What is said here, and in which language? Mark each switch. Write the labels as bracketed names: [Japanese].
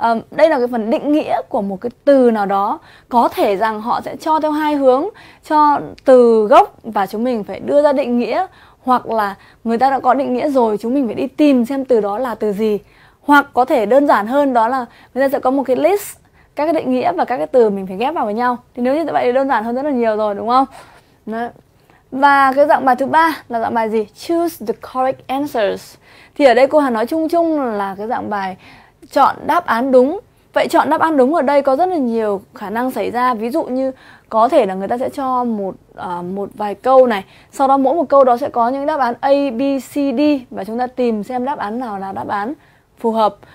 [Vietnamese] Đây là cái phần định nghĩa của một cái từ nào đó, có thể rằng họ sẽ cho theo hai hướng, cho từ gốc và chúng mình phải đưa ra định nghĩa, hoặc là người ta đã có định nghĩa rồi chúng mình phải đi tìm xem từ đó là từ gì. Hoặc có thể đơn giản hơn đó là người ta sẽ có một cái list các cái định nghĩa và các cái từ mình phải ghép vào với nhau. Thì nếu như vậy thì đơn giản hơn rất là nhiều rồi, đúng không? Đấy. Và cái dạng bài thứ ba là dạng bài gì? [English] Choose the correct answers. [Vietnamese] Thì ở đây cô Hà nói chung chung là cái dạng bài chọn đáp án đúng. Vậy chọn đáp án đúng ở đây có rất là nhiều khả năng xảy ra. Ví dụ như có thể là người ta sẽ cho một vài câu này, sau đó mỗi một câu đó sẽ có những đáp án A, B, C, D và chúng ta tìm xem đáp án nào là đáp án phù hợp.